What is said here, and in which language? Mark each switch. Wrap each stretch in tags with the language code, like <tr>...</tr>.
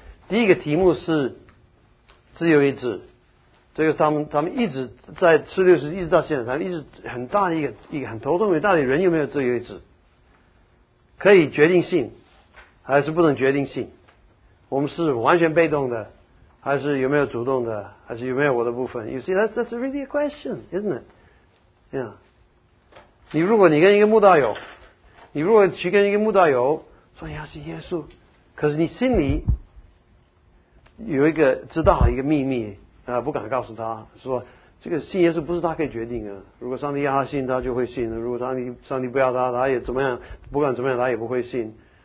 <zh>第一个题目是自由意志，这个他们一直在吃六十一直到现在，他们一直很大的一个很头痛，到底人有没有自由意志，可以决定性还是不能决定性，我们是完全被动的还是有没有主动的，还是有没有我的部分。</zh> <en>You see that's really a question isn't it、yeah.</en> <zh>如果你跟一个慕道友，你如果去跟一个慕道友说你要信耶稣，可是你心里有一个知道一个秘密啊，不敢告诉他说这个信耶稣不是他可以决定的，如果上帝要他信他就会信，如果上帝不要他，他也怎么样，不管怎么样他也不会信。</zh>